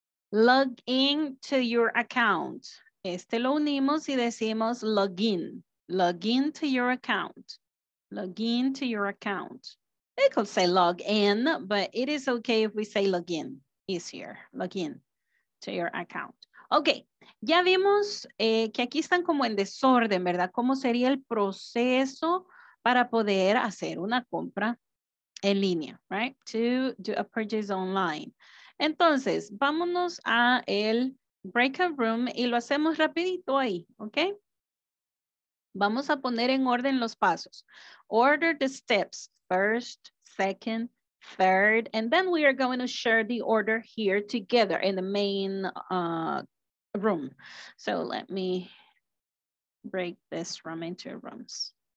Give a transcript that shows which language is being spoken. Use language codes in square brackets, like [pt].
[en] Log in to your account. [es] Este lo unimos y decimos login. [en] Log in to your account. Log in to your account. We could say log in, but it is okay if we say log in. Easier. Log in to your account. Okay. [es] Ya vimos que aquí están como en desorden, ¿verdad? ¿Cómo sería el proceso para poder hacer una compra en línea, right? [en] To do a purchase online. [es] Entonces, vámonos a el breakout room y lo hacemos rapidito ahí, ¿ok? Vamos a poner en orden los pasos. [en] Order the steps, first, second, third, and then we are going to share the order here together in the main room. So let me break this room into rooms.